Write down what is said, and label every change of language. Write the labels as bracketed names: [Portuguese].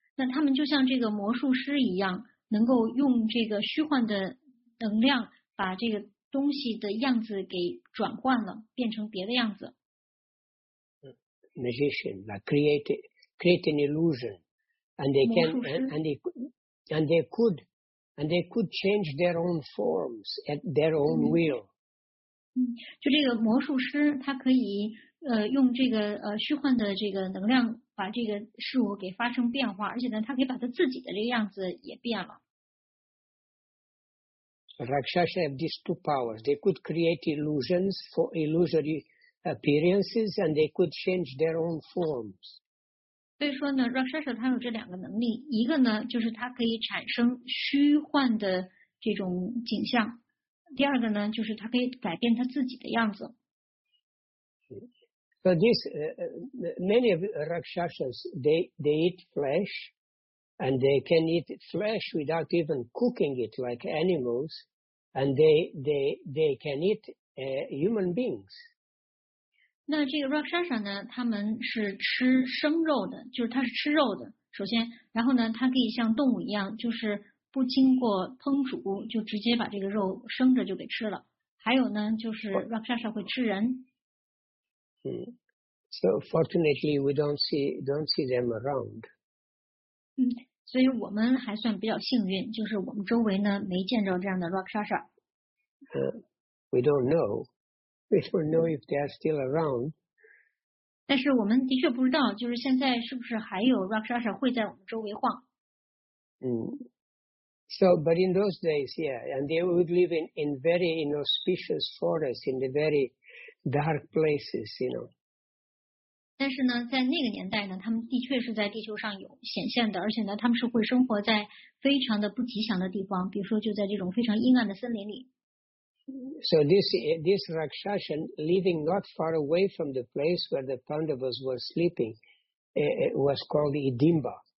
[Chinese] 那他们就像这个魔术师一样，能够用这个虚幻的能量把这个东西的样子给转换了，变成别的样子。 [English] Magician, like create an illusion, and they could change their own forms at their own will. [Chinese] 就这个魔术师，他可以用这个虚幻的这个能量。把这个事物给发生变化，而且呢，他可以把他自己的这个样子也变了。 [English] So, Rakshasa have these two powers. They could create illusions for illusory appearances, and they could change their own forms. [Chinese] 所以说呢 ，Rakshasa 他有这两个能力，一个呢就是他可以产生虚幻的这种景象，第二个呢就是他可以改变他自己的样子。 [English] So this, many of Rakshasas, they eat flesh, and they can eat flesh without even cooking it like animals, and they can eat human beings. [Chinese] 那这个 Rakshasa 呢，他们是吃生肉的，就是他是吃肉的，首先，然后呢，他可以像动物一样，就是不经过烹煮，就直接把这个肉生着就给吃了。还有呢，就是 Rakshasa 会吃人。 [English] So fortunately, we don't see them around. [Chinese] 所以我们还算比较幸运，就是我们周围呢没见着这样的 Rakshasa。 [English] We don't know. We don't know if they are still around. [Chinese] 但是我们的确不知道，就是现在是不是还有 Rakshasa 会在我们周围晃。 [English] So, but in those days, yeah, and they would live in very inauspicious forests, in the very dark places, you know. [Chinese] 但是呢，在那个年代呢，他们的确是在地球上有显现的，而且呢，他们是会生活在非常的不吉祥的地方，比如说就在这种非常阴暗的森林里。 [English] So this Rakshasa living not far away from the place where the Pandavas were sleeping was called Idimba.